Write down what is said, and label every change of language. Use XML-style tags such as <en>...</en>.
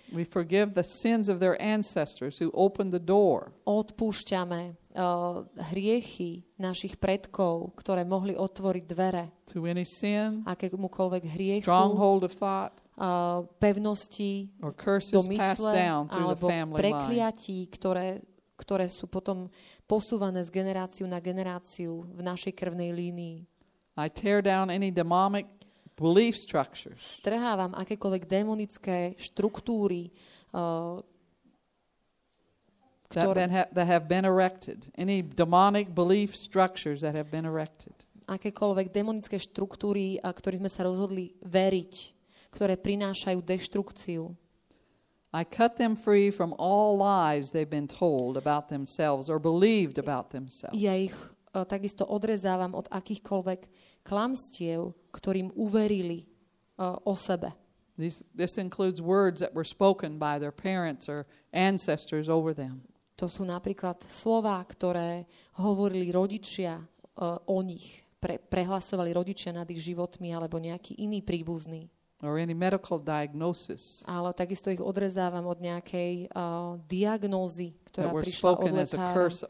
<en>We forgive the sins of their ancestors who opened the door.</en> <sk>Odpúšťame hriechy našich predkov, ktoré mohli otvoriť dvere.</sk> <en>To any sin,</en> <sk>akémukoľvek hriechu,</sk> <en>stronghold of thought,</en> <sk>pevnosti</sk> <en>or curses</en> <sk>do mysle,</sk> <en>passed down through</en> <sk>alebo</sk> <en>the family</en> <sk>prekliatí, ktoré sú potom posúvané z generáciu na generáciu v našej krvnej línii.</sk> <en>I tear down any demonic belief structures.</en> <sk>Strhávam akékoľvek demonické štruktúry,</sk> <en>that have been erected. Any demonic belief structures that have been erected.</en> <sk>Akékoľvek demonické štruktúry, ktorým sme sa rozhodli veriť, ktoré prinášajú deštrukciu.</sk> <en>I cut them free from all lies they've been told about themselves or believed about themselves.</en> <sk>Ja ich takisto odrezávam od akýchkoľvek klamstiev, ktorým uverili o sebe.</sk> <en>This includes words that were spoken by their parents or ancestors over them.</en> <sk>To sú napríklad slová, ktoré hovorili rodičia o nich, prehlasovali rodičia nad ich životmi alebo nejaký iný príbuzný.</sk> <en>Or any medical diagnosis.</en> <sk>Ale takisto ich odrezávam od nejakej diagnózy, ktorá prišla od lekára.</sk>